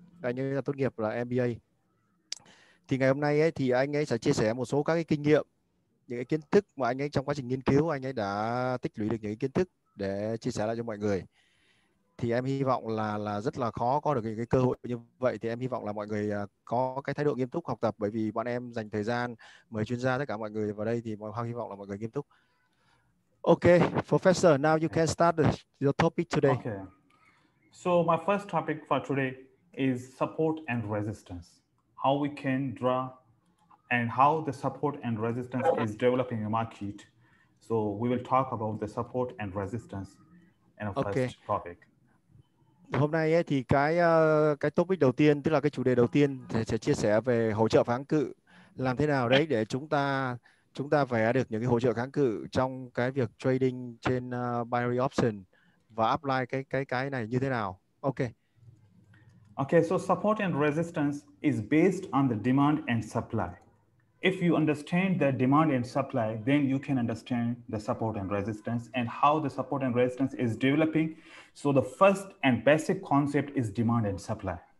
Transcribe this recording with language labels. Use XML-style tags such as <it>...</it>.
<vi>Anh ấy là tốt nghiệp là MBA. Thì ngày hôm nay ấy, thì anh ấy sẽ chia sẻ một số các cái kinh nghiệm, những cái kiến thức mà anh ấy trong quá trình nghiên cứu, anh ấy đã tích lũy được những cái kiến thức để chia sẻ lại cho mọi người. Thì em hy vọng là rất là khó có được những cái cơ hội như vậy. Thì em hy vọng là mọi người có cái thái độ nghiêm túc học tập, bởi vì bọn em dành thời gian mời chuyên gia tất cả mọi người vào đây, thì mọi hoang hy vọng là mọi người nghiêm túc.</vi> <en>Okay, professor, now you can start your topic today. Okay. So my first topic for today is support and resistance. How we can draw and how the support and resistance is developing a market. So we will talk about the support and resistance in our first topic.</en> <vi>Hôm nay ấy, thì cái topic đầu tiên, tức là cái chủ đề đầu tiên sẽ chia sẻ về hỗ trợ kháng cự. Làm thế nào đấy để chúng ta vẽ được những cái hỗ trợ kháng cự trong cái việc trading trên</vi> <en>binary option</en> <vi>và apply cái này như thế nào?</vi> <en>Okay. Okay, so support and resistance is based on the demand and supply. If you understand the demand and supply, then you can understand the support and resistance and how the support and resistance is developing. So the first and basic concept is demand and supply.</en>